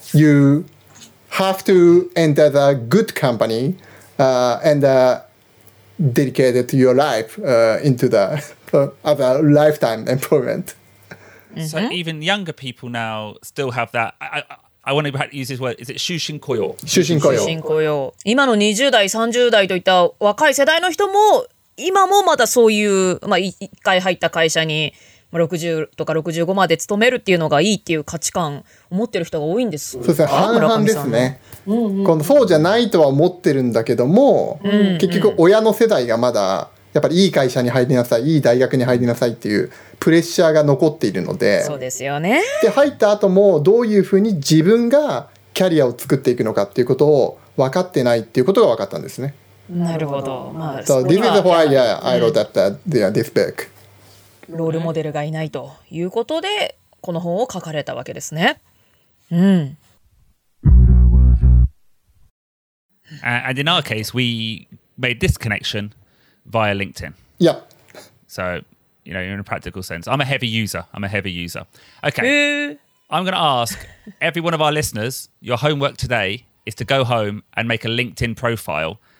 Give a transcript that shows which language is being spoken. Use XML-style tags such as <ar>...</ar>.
<en>You have to enter the good company and dedicate your life into the other lifetime employment. So even younger people now still have that. I want to use this word. Is it 終身雇用?</en> <ja>終身雇用。終身雇用。今の20代、30代といった若い世代の人も今もまだそういう、まあ、一回入った会社に60とか65まで勤めるっていうのがいいっていう価値観を持ってる人が多いんです。そうですね、半々ですね。このそうじゃないとは思ってるんだけども、結局親の世代がまだやっぱりいい会社に入りなさい、いい大学に入りなさいっていうプレッシャーが残っているので、そうですよね。で入った後もどういうふうに自分がキャリアを作っていくのかっていうことを分かってないっていうことが分かったんですね。なるほど。まあ、</ja> <en>So this is why I wrote that this book.</en> <ja>ロールモデルがいないということでこの本を書かれたわけですね。</ja> <en>And in our case, we made this connection via LinkedIn. Yeah. So, you know, in a practical sense, I'm a heavy user. Okay. I'm going to ask every one of our listeners, your homework today is to go home and make a LinkedIn profile.</en>